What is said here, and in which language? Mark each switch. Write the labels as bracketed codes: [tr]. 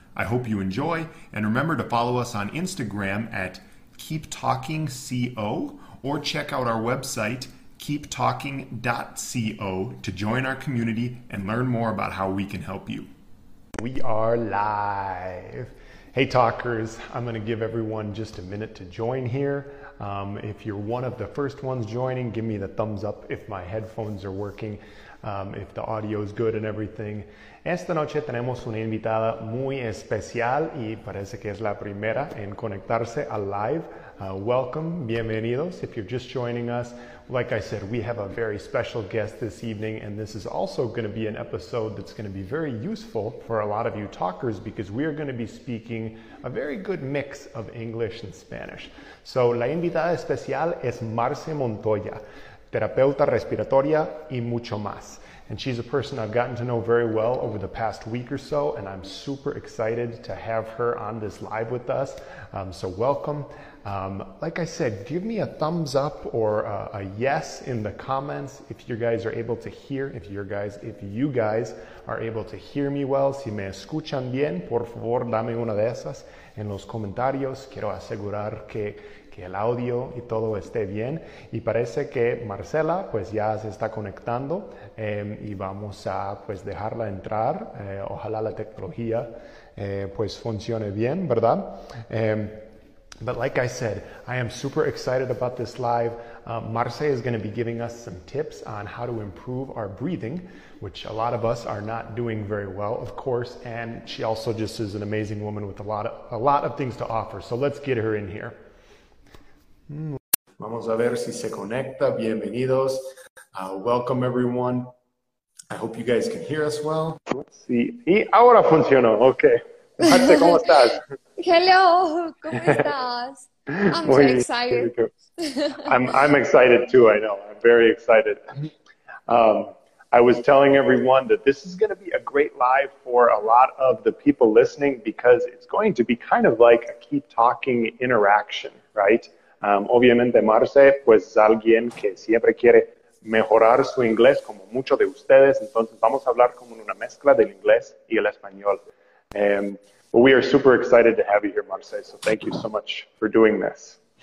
[en] I hope you enjoy, and remember to follow us on Instagram at Keep Talking CO, or check out our website keeptalking.co to join our community and learn more about how we can help you. We are live. Hey talkers, I'm going to give everyone just a minute to join here. If you're one of the first ones joining, give me the thumbs up if my headphones are working, if the audio is good and everything. [es] Esta noche tenemos una invitada muy especial y parece que es la primera en conectarse al live. [en] Welcome, [es] bienvenidos, [en] if you're just joining us. Like I said, we have a very special guest this evening, and this is also going to be an episode that's going to be very useful for a lot of you talkers because we are going to be speaking a very good mix of English and Spanish. [es] So, la invitada especial es Marce Montoya, terapeuta respiratoria y mucho más. [en] And she's a person I've gotten to know very well over the past week or so, and I'm super excited to have her on this live with us. So welcome. Like I said, give me a thumbs up or a yes in the comments if you guys are able to hear, if you guys are able to hear me well. [es] Si me escuchan bien, por favor, dame una de esas en los comentarios. Quiero asegurar que el audio y todo esté bien. Y parece que Marcela, pues ya se está conectando y vamos a pues dejarla entrar. Ojalá la tecnología pues funcione bien, ¿verdad? [en] But like I said, I am super excited about this live. Marce is going to be giving us some tips on how to improve our breathing, which a lot of us are not doing very well, of course. And she also just is an amazing woman with a lot of things to offer. So let's get her in here. [es] Vamos a ver si se conecta. Bienvenidos. [en] Welcome, everyone. I hope you guys can hear us well. Let's see. [es] Y ahora funcionó. Okay. Marce, ¿cómo estás? [en] Hello, [es] ¿cómo estás? [en] I'm so excited. I'm excited too, I know. I'm very excited. I was telling everyone that this is going to be a great live for a lot of the people listening because it's going to be kind of like a Keep Talking interaction, right? [es] Obviamente, Marce, pues alguien que siempre quiere mejorar su inglés como muchos de ustedes. Entonces, vamos a hablar como en una mezcla del inglés y el español. [en] But we are super excited to have you here, Marce. So thank you so much for doing this.